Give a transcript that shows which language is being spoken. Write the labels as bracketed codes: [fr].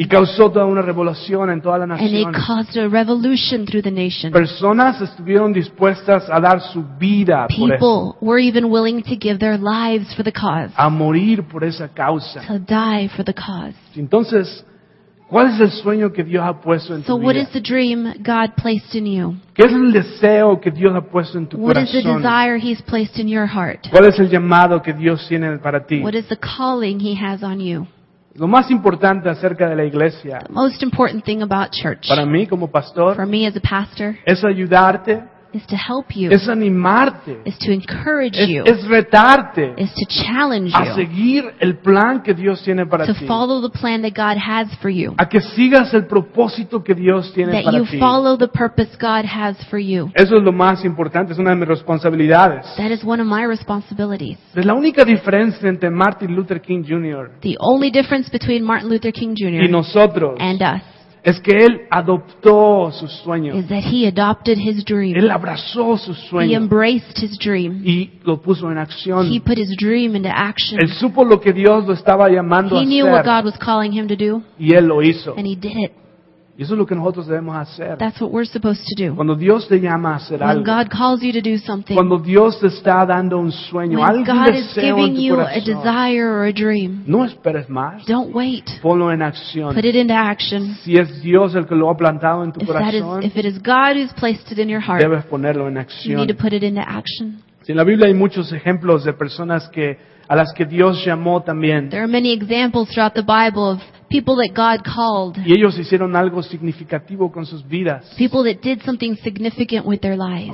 [es] y causó toda una revolución en toda la nación, [en] and it caused a revolution through the nation. [es] Personas estuvieron dispuestas a dar su vida por eso. [en] People were even willing to give their lives for the cause. [es] A morir por esa causa. [en] To die for the cause. [es] Entonces, ¿cuál es el sueño que Dios ha puesto en tu vida? [en] So what is the dream God placed in you? [es] ¿Qué es el deseo que Dios ha puesto en tu [en] what [es] corazón? [en] Is the desire he's placed in your heart? [es] ¿Cuál es el llamado que Dios tiene para ti? [en] What is the calling he has on you? [es] Lo más importante acerca de la iglesia, [en] the most important thing about church, [es] para mí como pastor, [en] for me as a pastor, [es] es ayudarte, [en] is to help you, [es] es animarte, [en] is to encourage you, [es] es retarte, [en] is to challenge you, [es] a seguir el plan que Dios tiene para ti, [en] to follow the plan that God has for you, [es] a que sigas el propósito que Dios tiene para ti, [en] that you follow the purpose God has for you. [es] Eso es lo más importante, es una de mis responsabilidades. [en] That is one of my responsibilities. [es] Es la única diferencia entre Martin Luther King Jr. [en] The only difference between Martin Luther King Jr. [es] y nosotros [en] and us. [es] Es que él adoptó sus sueños. [en] Is that he adopted his dream. [es] Él abrazó sus sueños. [en] He embraced his dream. [es] Y lo puso en acción. [en] He put his dream into action. [es] Él supo lo que Dios lo estaba llamando [en] he [es] a hacer. [en] He knew what God was calling him to do. [es] Y él lo hizo. [en] And he did it. [es] Y eso es lo que nosotros debemos hacer. [en] That's what we're supposed to do. [es] Cuando Dios te llama a hacer [en] when [es] algo. [en] When God calls you to do something. [es] Cuando Dios te está dando un sueño, [en] when [es] algún [en] God [es] deseo [en] is giving [es] en tu [en] you [es] corazón, [en] a desire or a dream. [es] No esperes más. [en] Don't wait. [es] Ponlo en acción. [en] Put it into action. [es] Si es Dios el que lo ha plantado en tu [en] if [es] corazón. [en] Is, if it is God who's placed it in your heart. [es] Debes ponerlo en acción. [en] You need to put it into action. [es] Si en la Biblia hay muchos ejemplos de personas que a las que Dios llamó también. [en] There are many examples throughout the Bible of People that God called. Y ellos hicieron algo significativo con sus vidas. People that did something significant with their lives.